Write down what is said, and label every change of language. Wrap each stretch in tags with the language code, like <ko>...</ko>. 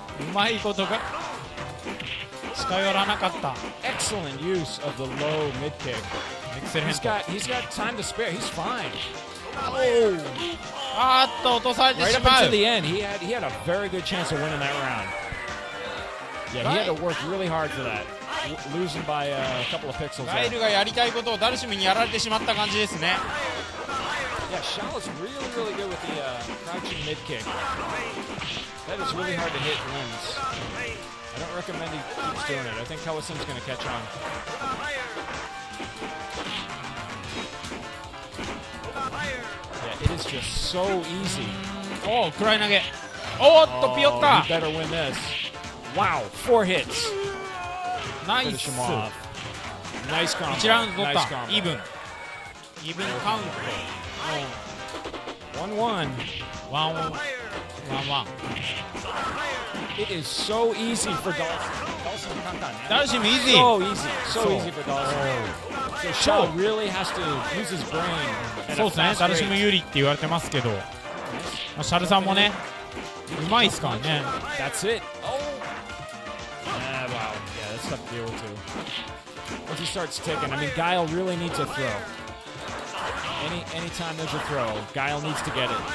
<ja>うまいことが近寄らなかった</ja> <en>Excellent use of the low mid kick. Excellent. He's got time to spare. He's fine. Oh!</en> <ja>あーっと落とされてしまう</ja> <en>Right up until the end, he had a very good chance of winning that round. Yeah, he had to work really hard for that. Losing by a couple of pixels.</en> <ja>ガイルがやりたいことをダルシムにやられてしまった感じですね。</ja> <en>Yeah, Shao is really, really good with the crouching mid kick. That is really hard to hit wins. I don't recommend he keeps doing it. I think Kawasim's going to catch on. Yeah, it is just so easy.</en> <ja>Oh, クライ投げ。おっと、ピヨッタ。</ja> <en>He better win this. Wow, four hits. Nice. Nice combo.</en> <ja>1ラウンド取った。</ja> <en>Even. Even count. 1-1. 1-1. It is so easy for Dawson. Dawson is easy. So easy for Dawson. So Shao really has to use his brain.</en> <ja>そうですね。 Dawson も有利って言われてますけど、シャルさんもね、うまいですからね。</ja> <en>That's it. To deal with too. Once he starts ticking, I mean, Guile really needs a throw. Anytime there's a throw, Guile needs to get it.</en>